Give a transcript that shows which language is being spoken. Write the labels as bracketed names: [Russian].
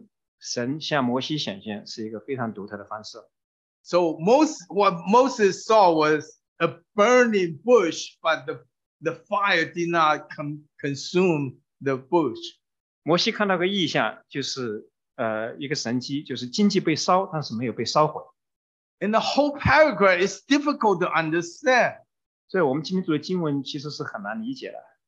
[Chinese] 所以今天我们读的经文，神向摩西显现是一个非常独特的方式。 [English] So what Moses saw was a burning bush, but the fire did not consume the bush. [Chinese] 摩西看到个异象，就是一个神迹，就是荆棘被烧，但是没有被烧毁。 [English] And the whole paragraph is difficult to understand. [Chinese] 所以我们今天读的经文其实是很难理解的。